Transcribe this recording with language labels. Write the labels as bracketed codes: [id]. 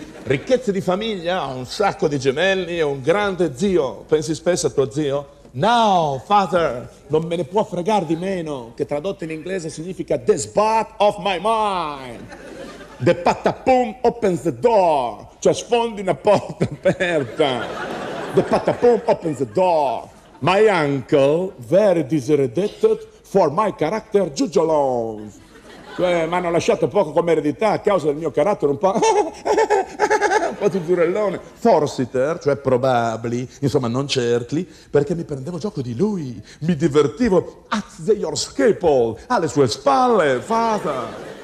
[it] Ricchezza di famiglia, un sacco di gemelli e un grande zio. Pensi spesso a tuo zio? No, father, non me ne può fregare di meno, che tradotto in inglese significa [en] the spot of my mind. The patapum opens the door, [it] cioè sfondi una porta aperta. [en] The patapum opens the door. My uncle, very disheredited for my character, Giugiolons. [it] Cioè, mi hanno lasciato poco come eredità a causa del mio carattere un po'. Un po' di durellone. Forciter, cioè probably, insomma non certly, perché mi prendevo gioco di lui. Mi divertivo [en] at the your scapel, [it] alle sue spalle, father.